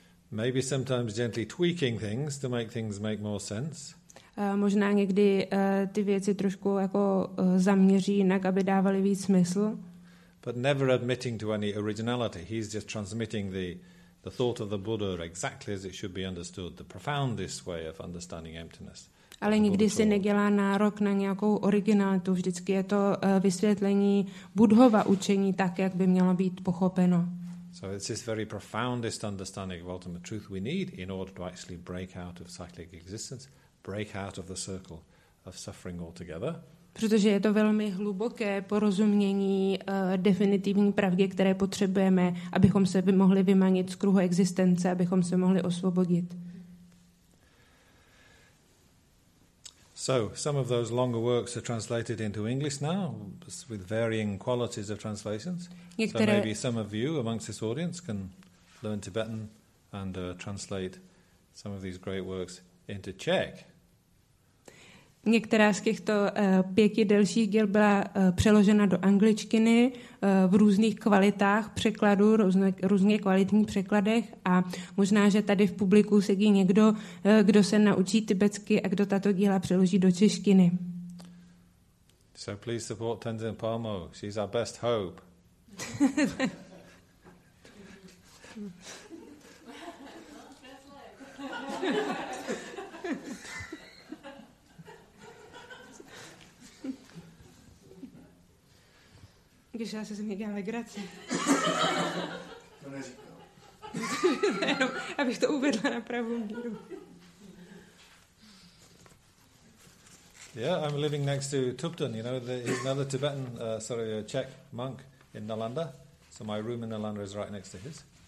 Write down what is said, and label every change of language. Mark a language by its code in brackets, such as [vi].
[en] Maybe sometimes gently tweaking things to make things make more sense. [cs] Možná někdy ty věci trošku jako zaměří jinak, aby dávaly víc smysl. [en] But never admitting to any originality. He's just transmitting the thought of the Buddha exactly as it should be understood, the profoundest way of understanding emptiness. [cs] Ale nikdy si nedělá nárok na nějakou originalitu. Vždycky je to vysvětlení Buddhova učení tak, jak by mělo být pochopeno. [en] So it's this very profoundest understanding of ultimate truth we need in order to actually break out of cyclic existence, break out of the circle of suffering altogether. [cs] Protože je to velmi hluboké porozumění definitivní pravdy, které potřebujeme, abychom se mohli vymanit z kruhu existence, abychom se mohli osvobodit. [en] So, some of those longer works are translated into English now, with varying qualities of translations. [cs] Některé... [en] So maybe some of you amongst this audience can learn Tibetan and translate some of these great works into Czech. [cs] Některá z těchto pěti delších děl byla přeložena do angličtiny v různých kvalitách překladu, různě kvalitních překladech a možná, že tady v publiku sedí někdo, kdo se naučí tibetsky a kdo tato díla přeloží do češtiny. [en] So please support Tenzin Palmo. She's our best hope. [cs] Když já se mě dělám legraci. To neříkám. Abych to uvedla na pravou míru. [en] Yeah, I'm living next to Tupton, you know, he's another Tibetan, a Czech monk in Nalanda. So my room in Nalanda is right next to his.